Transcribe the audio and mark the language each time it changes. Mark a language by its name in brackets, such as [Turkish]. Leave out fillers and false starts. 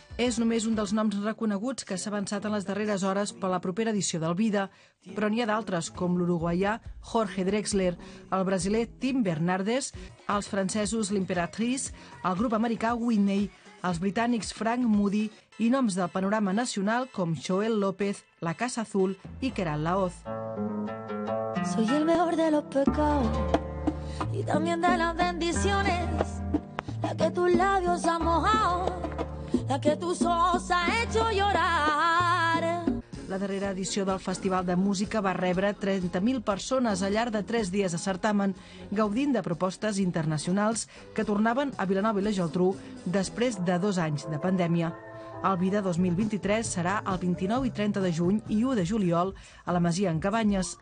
[Catalan] És només un dels noms reconeguts que s'ha avançat en les darreres hores per la propera edició del Vida, però n'hi ha d'altres, com l'uruguaià Jorge Drexler, el brasiler Tim Bernardes, els francesos L'Imperatrice, el grup americà Whitney, els britànics Frank Moody i noms del panorama nacional com Joel López, La Casa Azul i Keral Lahoz. [Spanish] Soy el mejor de los pecados y también de las bendiciones, la que tus labios han mojado, la que tus ojos han hecho llorar. [Catalan] La darrera edició del Festival de Música va rebre 30.000 persones al llarg de 3 dies de certamen, gaudint de propostes internacionals que tornaven a Vilanova i la Geltrú després de 2 anys de pandèmia. El Vida 2023 serà el 29 i 30 de juny i 1 de juliol a la Masia en Cabanyes.